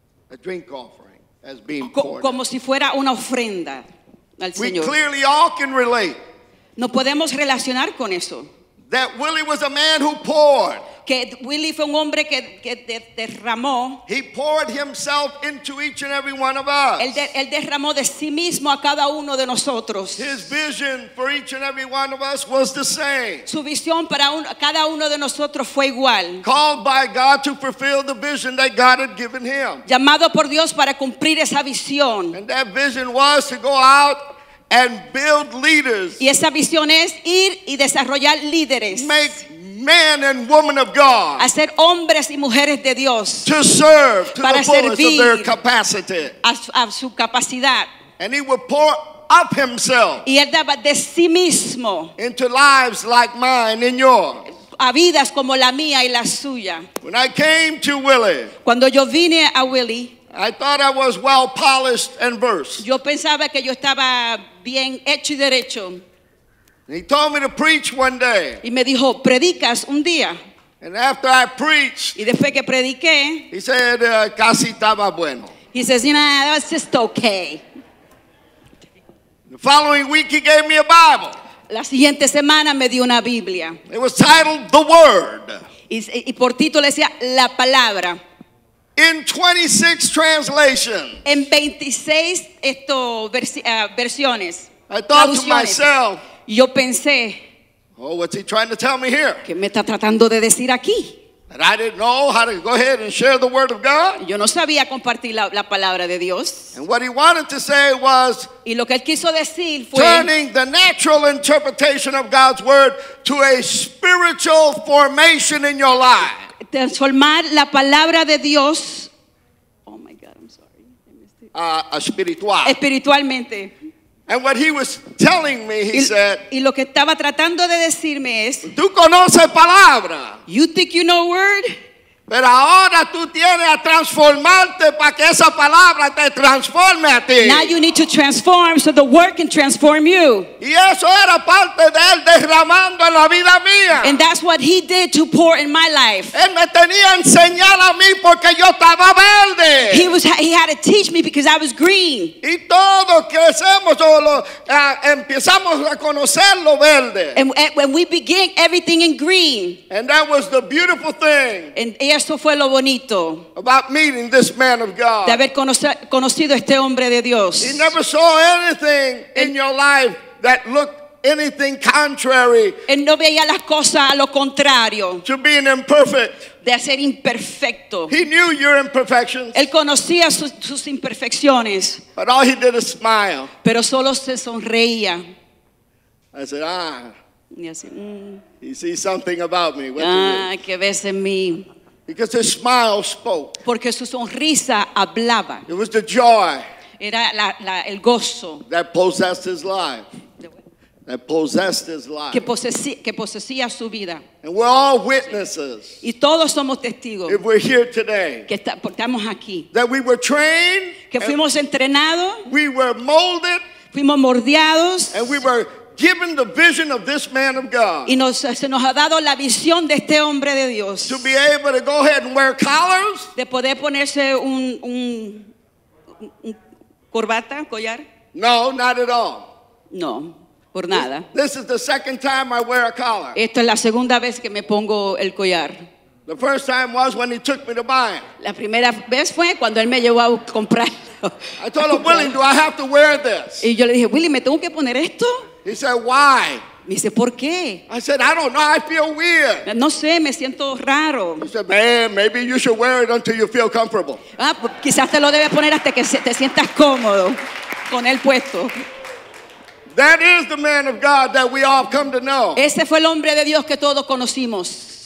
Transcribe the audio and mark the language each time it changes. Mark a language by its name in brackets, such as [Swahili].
[English] A drink offering as being poured. [Spanish] Como si fuera una ofrenda al Señor. [English] We clearly all can relate. [Spanish] No podemos relacionar con eso. [English] That Willie was a man who poured. [Spanish] Que Willie fue un hombre que derramó. [English] He poured himself into each and every one of us. [Spanish] Él derramó de sí mismo a cada uno de nosotros. [English] His vision for each and every one of us was the same. [Spanish] Su visión para cada uno de nosotros fue igual. [English] Called by God to fulfill the vision that God had given him. [Spanish] Llamado por Dios para cumplir esa visión. [English] And that vision was to go out and build leaders. [Spanish] Y esa visión es ir y desarrollar líderes. [English] Make man and woman of God. [Spanish] Hacer hombres y mujeres de Dios. [English] To serve to the fullest of their capacity. [Spanish] A su capacidad. [English] And he would pour of himself [Spanish] y él daba de sí mismo [English] into lives like mine and yours. [Spanish] A vidas como la mía y la suya. [English] When I came to Willie, [Spanish] cuando yo vine a Willie, [English] I thought I was well polished and versed. [Spanish] Yo pensaba que yo estaba bien hecho y derecho. [English] And he told me to preach one day. [Spanish] Y me dijo, predicas un día. [English] And after I preached, [Spanish] y después que prediqué, [English] he said, [Spanish] casi estaba bueno. [English] He says, you know, that was just okay. The following week he gave me a Bible. [Spanish] La siguiente semana me dio una Biblia. [English] It was titled The Word. [Spanish] Y por título decía La Palabra. [English] In 26 translations. [Spanish] En 26 esto versiones. [English] I thought to myself. [Spanish] Yo pensé. [English] Oh, what's he trying to tell me here? [Spanish] ¿Qué me está tratando de decir aquí? [English] And I didn't know how to go ahead and share the word of God. [Spanish] Yo no sabía compartir la palabra de Dios. [English] And what he wanted to say was, [Spanish] y lo que él quiso decir fue, [English] turning the natural interpretation of God's word to a spiritual formation in your life. [Spanish] Transformar la palabra de Dios. [English] Oh my God, I'm sorry. [Spanish] Espiritual. Espiritualmente. [English] And what he was telling me, he said, [Spanish] y lo que estaba tratando de decirme es, tú conoces palabra. [English] You think you know word? [Spanish] Pero ahora tú tienes a transformarte para que esa palabra te transforme a ti. [English] Now you need to transform so the word can transform you. [Spanish] Y eso era parte de él derramando en la vida mía. [English] And that's what he did to pour in my life. [Spanish] Él me tenía a enseñar a mí porque yo estaba verde. [English] He had to teach me because I was green. [Spanish] Y todos crecemos o empezamos a conocer lo verde. [English] And when we begin everything in green. And that was the beautiful thing. [Spanish] Y esto fue lo bonito. [English] About meeting this man of God. [Spanish] De haber conocido este hombre de Dios. [English] He never saw anything in your life that looked anything contrary. [Spanish] Él no veía las cosas a lo contrario. [English] To being imperfect. [Spanish] De ser imperfecto. [English] He knew your imperfections. [Spanish] Él conocía sus imperfecciones. [English] But all he did is smile. [Spanish] Pero solo se sonreía. [English] I said, ah. [Spanish] Y así, [English] He sees something about me. What [Spanish] que ves en mí. [English] Because his smile spoke. [Spanish] Porque su sonrisa hablaba. [English] It was the joy. [Spanish] Era el gozo. [English] That possessed his life. That possessed his life. [Spanish] Que poseía su vida. [English] And we're all witnesses. [Spanish] Y todos somos testigos. [English] If we're here today. [Spanish] Que estamos aquí. [English] That we were trained. [Spanish] Que fuimos entrenados. [English] We were molded. [Spanish] Fuimos moldeados. [English] And we were given the vision of this man of God. [Spanish] Y se nos ha dado la visión de este hombre de Dios. [English] To be able to go ahead and wear collars. [Spanish] De poder ponerse un corbata, collar. [English] No, not at all. [Spanish] No, por nada. [English] This is the second time I wear a collar. [Spanish] Esta es la segunda vez que me pongo el collar. [English] The first time was when he took me to buy it. [Spanish] La primera vez fue cuando él me llevó a comprar. [English] I told him, Willie, do I have to wear this? [Spanish] Y yo le dije, Willie, ¿me tengo que poner esto? [English] He said, why? [Spanish] Me dice, ¿por qué? [English] I said, I don't know, I feel weird. [Spanish] No sé, me siento raro. [English] He said, man, maybe you should wear it until you feel comfortable. [Spanish] Ah, quizás te lo debes poner hasta que te sientas cómodo con él puesto. [English] That is the man of God that we all come to know. [Spanish] Ese fue el hombre de Dios que todos conocimos.